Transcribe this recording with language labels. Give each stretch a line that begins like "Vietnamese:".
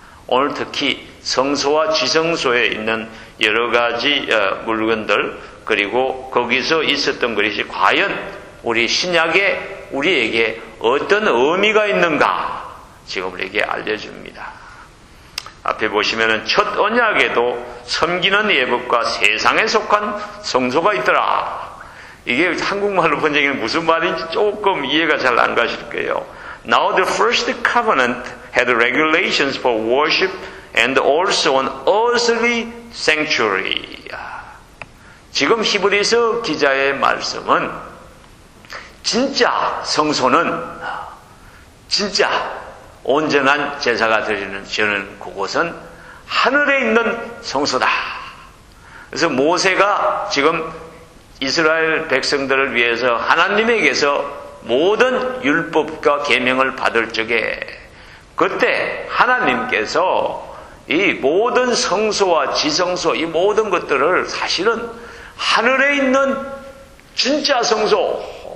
Korean: 오늘 특히 성소와 지성소에 있는 여러 가지 물건들 그리고 거기서 있었던 것이 과연 우리 신약에 우리에게 어떤 의미가 있는가 지금 우리에게 알려줍니다. 앞에 보시면은 첫 언약에도 섬기는 예법과 세상에 속한 성소가 있더라. 이게 한국말로 번역하면 무슨 말인지 조금 이해가 잘 안 가실 거예요.
English: Now the first covenant had regulations for worship and also an earthly sanctuary.
Korean: 지금 히브리서 기자의 말씀은 진짜 성소는 진짜 온전한 제사가 드리는 저는 그곳은 하늘에 있는 성소다. 그래서 모세가 지금 이스라엘 백성들을 위해서 하나님에게서 모든 율법과 계명을 받을 적에 그때 하나님께서 이 모든 성소와 지성소 이 모든 것들을 사실은 하늘에 있는 진짜 성소